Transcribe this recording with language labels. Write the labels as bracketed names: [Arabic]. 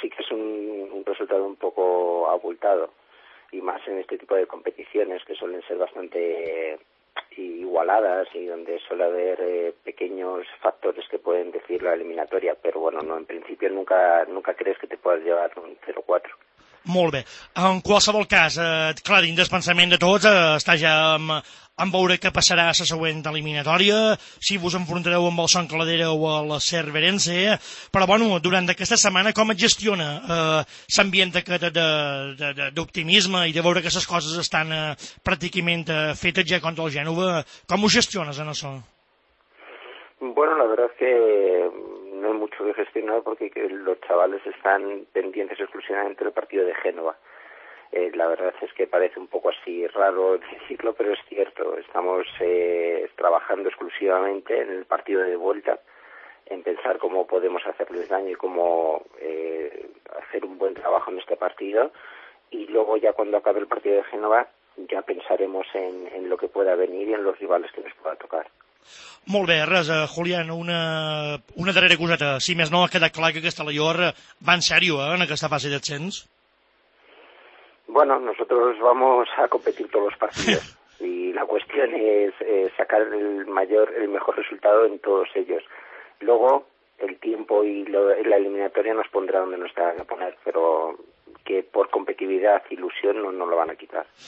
[Spanish] Un poco abultado, y más en este tipo de competiciones que suelen ser bastante igualadas y donde suele haber pequeños factores que pueden decir la eliminatoria, pero bueno, no, en principio nunca crees que te puedas llevar un 0-4. [Catalan] Molt bé. En qualsevol cas, clar, dins del pensament de tots, està ja en veure què passarà a la següent eliminatòria, si vos enfrontareu amb el Son Cladera o el Cerverense, però bueno, durant aquesta setmana com et gestiona l'ambient d'optimisme i de veure que les coses estan pràcticament fetes ja contra el Gènova? Com ho gestiones en això? [Spanish] Bueno, la verdad es que no hay mucho que gestionar porque los chavales están pendientes exclusivamente del partido de Génova. La verdad es que parece un poco así raro decirlo, pero es cierto. Estamos trabajando exclusivamente en el partido de vuelta, en pensar cómo podemos hacerles daño y cómo hacer un buen trabajo en este partido. Y luego ya cuando acabe el partido de Génova, ya pensaremos en lo que pueda venir y en los rivales que nos pueda tocar. [Catalan] Molt bé, res, Julián, una darrera coseta. Si més no, ha quedat clar que aquesta Alaior va en sèrio, en aquesta fase d'ascens. [Spanish] Bueno, nosotros vamos a competir todos los partidos y la cuestión es sacar el mejor resultado en todos ellos. Luego, el tiempo y la eliminatoria nos pondrá donde nos tenga que poner, pero que por competitividad y ilusión no lo van a quitar.